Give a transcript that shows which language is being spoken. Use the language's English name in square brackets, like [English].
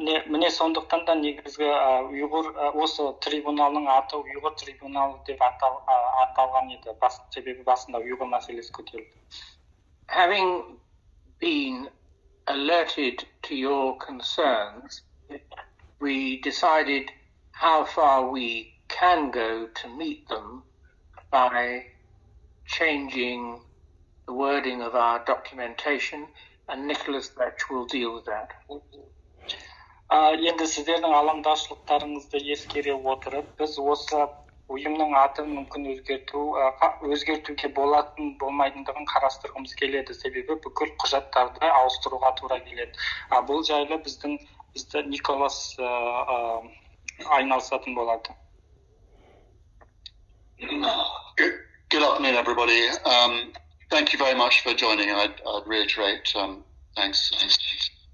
[Kazakh] Міне сондықтан да негізгі ұйғыр осы трибуналының аты ұйғыр трибуналы деп аталған еді. Себебі басында ұйғыр мәселесі көтерілді. [English] Having been alerted to your concerns, we decided how far we can go to meet them by changing the wording of our documentation, and Nicholas Bech will deal with that. [Kazakh] Енді сіздердің алаңдаушылықтарыңызды ескере отырып, біз осы ұйымның атын мүмкін өзгертуге болатын болмайтындығын қарастырғымыз келеді, себебі бүкіл құжаттарды ауыстыруға тура келеді. Бұл жайлы бізді Николас айналысатын болады. [English] Good afternoon, everybody. Thank you very much for joining. I'd reiterate, thanks.